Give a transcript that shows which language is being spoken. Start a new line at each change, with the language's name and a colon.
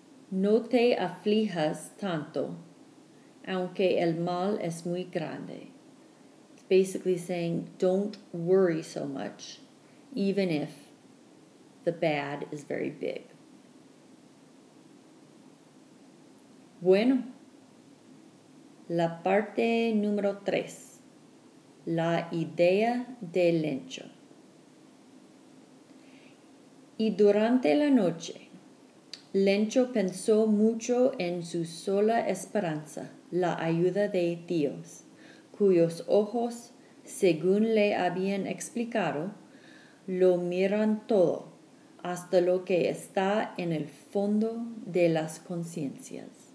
Spanish: No te aflijas tanto, aunque el mal es muy grande.
English: It's basically saying, don't worry so much, even if the bad is very big.
Spanish: Bueno, la parte número tres, la idea de Lencho. Y durante la noche, Lencho pensó mucho en su sola esperanza, la ayuda de Dios, cuyos ojos, según le habían explicado, lo miran todo, hasta lo que está en el fondo de las conciencias.